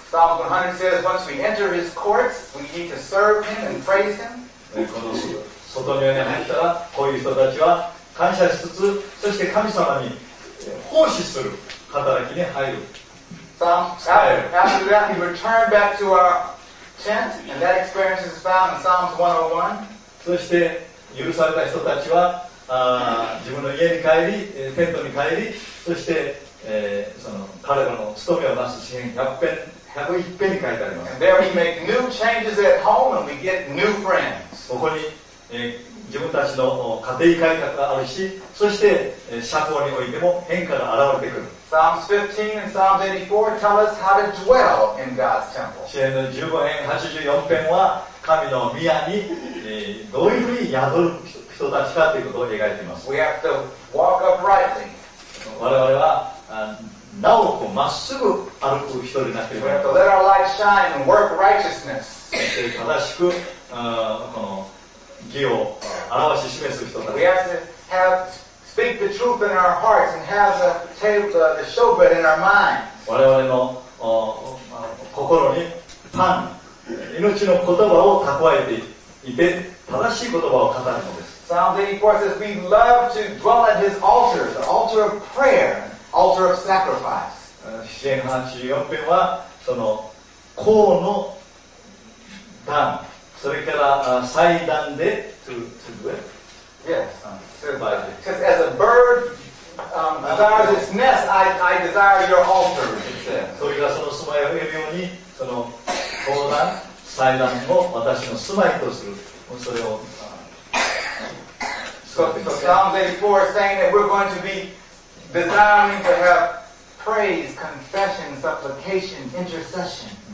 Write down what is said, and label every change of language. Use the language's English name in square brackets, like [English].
[English] Psalms 100 says once we enter his courts, we need to serve him and praise him. [Japanese] この詩は。外庭に入ったら、こういう人たちは感謝しつつ、そして神様に奉仕する働きに入る。 [English] After that, we return back to our tent, and that experience is found in Psalms 101. [Japanese] そして、許された人たちは、自分の家に帰り、テントに帰り、そして、その彼らの務めをなす詩篇101篇に書いてあります。 [English] And there we make new changes at home, and we get new friends. [Japanese] ここに自分たちの家庭改革があるし、そして社交においても変化が現れてくる。 [English] Psalms 15 and Psalms 84 tell us how to dwell in God's temple. [Japanese] 詩篇の15編84編は神の宮にどういうふうに宿る人人たちかということを描いています。 [English] We have to walk uprightly. [Japanese] 我々はなおこまっすぐ歩く人でなければ。 [English] We have to let our light shine and work righteousness. [Japanese] 正しくこの義を表し示す人たち。 [English] We have to have speak the truth in our hearts and have the table, the showbread in our minds. [Japanese] 我々の心にパン、命の言葉を蓄えていて、正しい言葉を語るのです。 [English] Psalm 84 says, we love to dwell at his altar, the altar of prayer, altar of sacrifice. [Japanese] 詩編84編は、その、香の壇、それから祭壇で、 [English] to do it? Yes. Because as a bird desires its nest, I desire your altar, it says. [Japanese] 鳥がその住まいを得るように、その、香壇、祭壇を私の住まいとする。それを、 [English] So Psalm 84 is saying that we're going to be desiring to have praise, confession, supplication, intercession.